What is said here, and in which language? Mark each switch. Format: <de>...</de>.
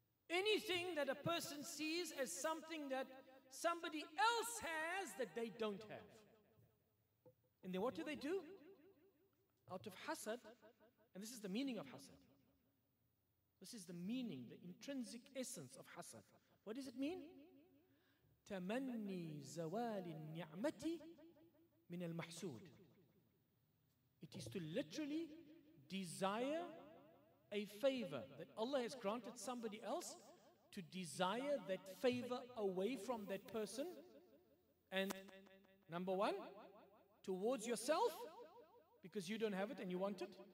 <en>Anything that a person sees as something that somebody else has that they don't have. And then what do? Out of hasad, and this is the meaning of hasad. This is the meaning, the intrinsic essence of hasad. What does it mean?</en> <ar>تمني زوال النعمة من المحسود.</ar> <en>It is to literally desire a favor that Allah has granted somebody else, to desire that favor away from that person. And number one, towards yourself, because you don't have it and you want it.</en>